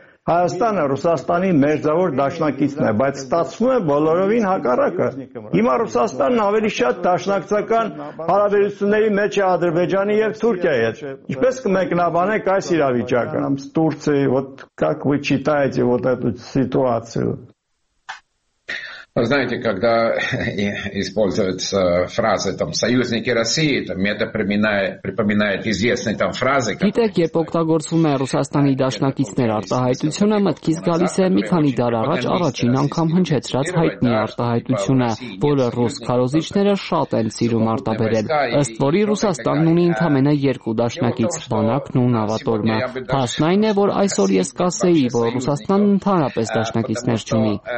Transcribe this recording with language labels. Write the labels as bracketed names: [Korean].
[Armenian] Հայաստանը Ռուսաստանի մերձավոր դաշնակիցն է, բայց ստացվում է բոլորովին հակառակը։ Հիմա Ռուսաստանն ավելի շատ դաշնակցական հարաբերությունների մեջ է Ադրբեջանի եւ Թուրքիայի հետ։ Ինչպես կմեկնաբանեք այս իրավիճակը։ [Russian] Турция, вот как вы читаете вот эту ситуацию? Вы знаете, когда используется фраза там союзники России, там это припоминает известные там фразы, как Итак, я [Armenian] օգտագործում եմ Ռուսաստանի դաշնակիցներ արտահայտությունը, մտքից գալիս է մի քանի դար առաջ առաջին անգամ հնչեցրած հայտնի արտահայտությունը, որը ռուս քարոզիչները շատ են սիրում արտաբերել, ըստ որի Ռուսաստանն ունի ընդամենը երկու դաշնակից՝ բանակն ու նավատորմը։ Փաստն այն է, որ այսօր ես կասեի, որ Ռուսաստանն ընդհանրապես դաշնակիցներ չունի,